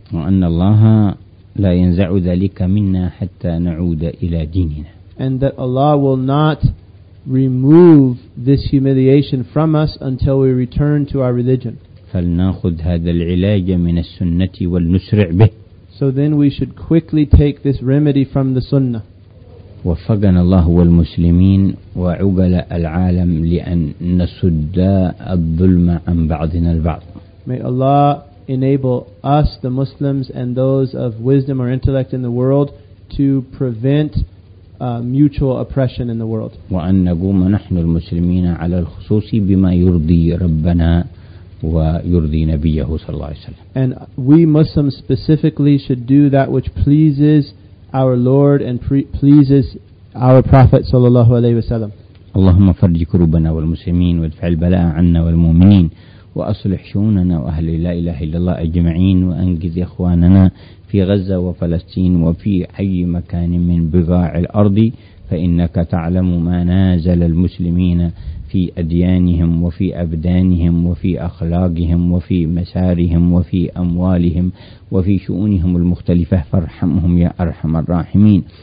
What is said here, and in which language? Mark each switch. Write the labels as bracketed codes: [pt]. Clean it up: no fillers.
[ar] وأن الله لا ينزع ذلك منا حتى نعود إلى ديننا. [en] And that Allah will not remove this humiliation from us until we return to our religion. [ar] فلنأخذ هذا العلاج من السنة ولنسرع به. [en] So then we should quickly take this remedy from the Sunnah. [ar] وفقنا الله والمسلمين وعقل العالم لأن نسد الظلم عن بعضنا البعض. [en] May Allah enable us, the Muslims, and those of wisdom or intellect in the world to prevent mutual oppression in the world. [ar] وأن نقوم نحن المسلمين على الخصوص بما يرضي ربنا ويرضي نبيه صلى الله عليه وسلم. [en] And we Muslims specifically should do that which pleases our Lord and pleases our Prophet [ar] صلى الله عليه وسلم. اللهم فرج كربنا والمسلمين وادفع البلاء عنا والمؤمنين وأصلح شؤوننا وأهل لا إله إلا الله أجمعين وأنقذ إخواننا في غزة وفلسطين وفي أي مكان من بقاع الأرض فإنك تعلم ما نازل المسلمين في أديانهم وفي أبدانهم وفي أخلاقهم وفي مسارهم وفي أموالهم وفي شؤونهم المختلفة فارحمهم يا أرحم الراحمين